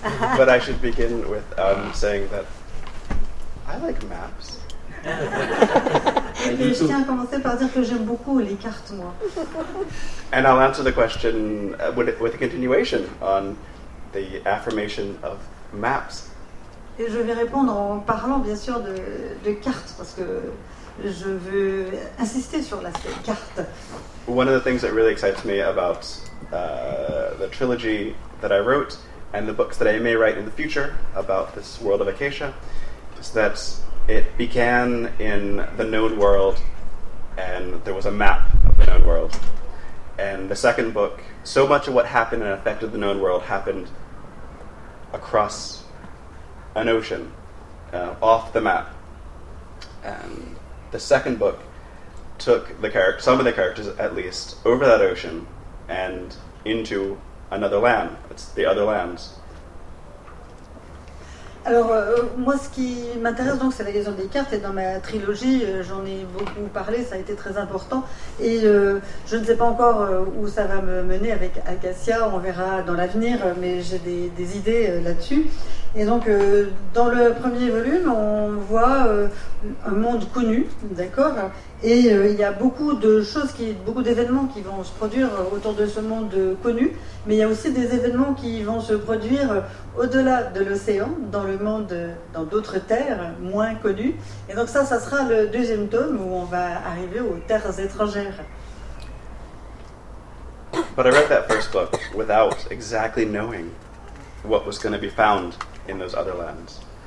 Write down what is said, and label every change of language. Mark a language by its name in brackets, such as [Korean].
[English] But I should begin with saying that I like maps. [French] Et je tiens à commencer par dire que j'aime beaucoup les cartes, moi. [English] And I'll answer the question with a continuation on the affirmation of maps. [French] Et je vais répondre en parlant bien sûr de cartes, parce que je veux insister sur l'aspect carte. [English] One of the things that really excites me about the trilogy that I wrote and the books that I may write in the future about this world of Acacia is that it began in the known world and there was a map of the known world. And the second book, so much of what happened and affected the known world happened across an ocean, off the map. And the second book took the some of the characters, at least, over that ocean and into another land. It's the other lands. [French] Alors, moi, ce qui m'intéresse, donc, c'est la question des cartes, et dans ma trilogie, j'en ai beaucoup parlé, ça a été très important, et je ne sais pas encore où ça va me mener avec Acacia, on verra dans l'avenir, mais j'ai des idées là-dessus. Et donc, dans le premier volume, on voit un monde connu, d'accord, et il y a beaucoup de choses, beaucoup d'événements qui vont se produire autour de ce monde connu, mais il y a aussi des événements qui vont se produire au-delà de l'océan, dans le monde, dans d'autres terres moins connues. Et donc ça sera le deuxième tome où on va arriver aux terres étrangères. [English] But I read that first book without exactly knowing what was going to be found in those other lands.